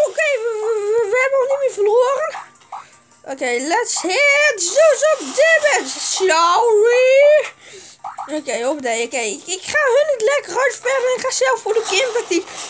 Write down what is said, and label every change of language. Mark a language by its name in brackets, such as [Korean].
[Dutch] Okay, we hebben al niet meer verloren. [English] Okay, let's hit some damage, shall we? [Dutch] Oké, hoppatee. Oké, ik ga hun het lekker hard spelen en ga zelf voor de camp tactiek.